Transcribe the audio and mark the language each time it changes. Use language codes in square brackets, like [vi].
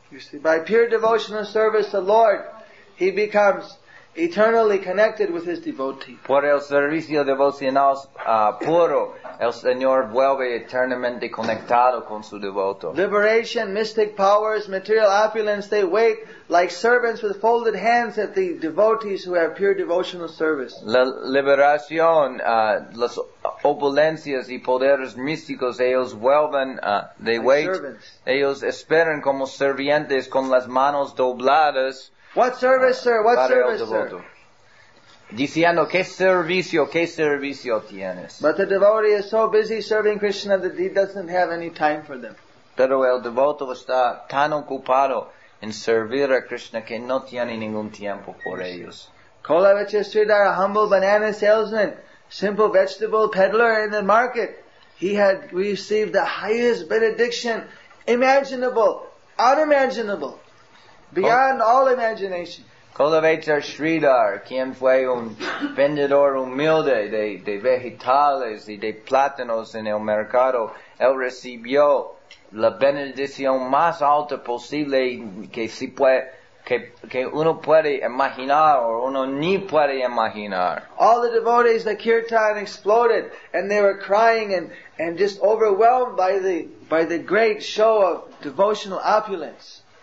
[en] You see, by pure devotional service to the Lord, he becomes eternally connected with his devotee. [es] Por el servicio devocional puro, el Señor vuelve eternamente conectado con su devoto. [en] Liberation, mystic powers, material opulence, they wait like servants with folded hands at the devotees who have pure devotional service. [es] La liberación, las opulencias y poderes místicos, ellos vuelven, [en] they like wait, servants. [es] Ellos esperan como servientes con las manos dobladas. [en] What service, sir? What service, sir? [es] Diciendo, qué servicio tienes? [en] But the devotee is so busy serving Krishna that he doesn't have any time for them. [es] Pero el devoto está tan ocupado en servir a Krishna que no tiene ningún tiempo por ellos. [en] Kolavecha Sridhara, a humble banana salesman, simple vegetable peddler in the market, he had received the highest benediction imaginable, unimaginable. Beyond all imagination. [es] Kolavecha Sridhar, quien fue un vendedor humilde de vegetales y de plátanos en el mercado, él recibió la bendición más alta posible que uno puede imaginar o uno ni puede imaginar. [en] All the devotees, the kirtan exploded and they were crying and just overwhelmed by the great show of devotional opulence.